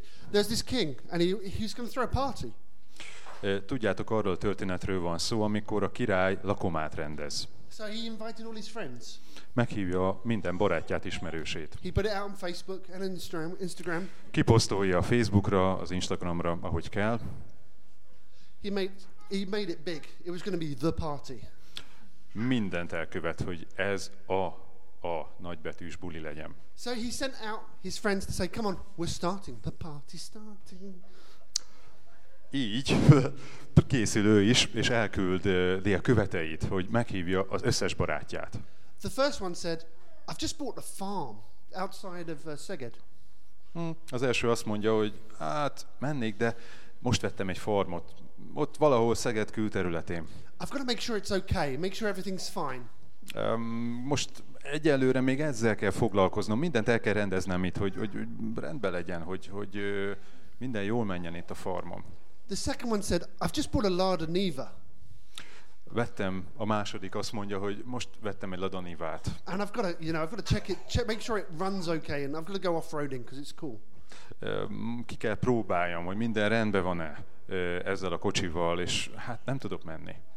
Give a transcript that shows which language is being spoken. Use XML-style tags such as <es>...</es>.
<en>There's this king and he's going to throw a party.</en> <hu>Tudjátok, arról a történetről van szó, amikor a király lakomát rendez.</hu> <en>So he invited all his friends.</en> <hu>Meghívja minden barátját, ismerősét.</hu> <en>He put it out on Facebook and Instagram.</en> <hu>Kiposztolja a Facebookra, az Instagramra, ahogy kell.</hu> <en>He made it big. It was going to be the party.</en> <hu>Mindent elkövet, hogy ez a nagybetűs buli legyen.</hu> <en>So he sent out his friends to say, come on, we're starting, the party's starting.</en> <hu>Így készül ő is, és elküld a követeit, hogy meghívja az összes barátját.</hu> <en>The first one said, I've just bought a farm outside of Szeged.</en> <hu>Az első azt mondja, hogy hát mennék, de most vettem egy farmot, ott valahol Szeged külterületén.</hu> <en>I've got to make sure it's okay, make sure everything's fine.</en> <hu>Most egyelőre még ezzel kell foglalkoznom, mindent el kell rendeznem itt, hogy rendben legyen, hogy minden jól menjen itt a farmon.</hu> <en>The second one said, I've just bought a Lada Niva.</en> <hu>Vettem, a második azt mondja, hogy most vettem egy Lada Nivát.</hu> <en>And I've got to, you know, I've got to check, make sure it runs okay, and I've got to go off-roading, because it's cool.</en> <hu>Ki kell próbáljam, hogy minden rendben van-e ezzel a kocsival, és hát nem tudok menni.</hu>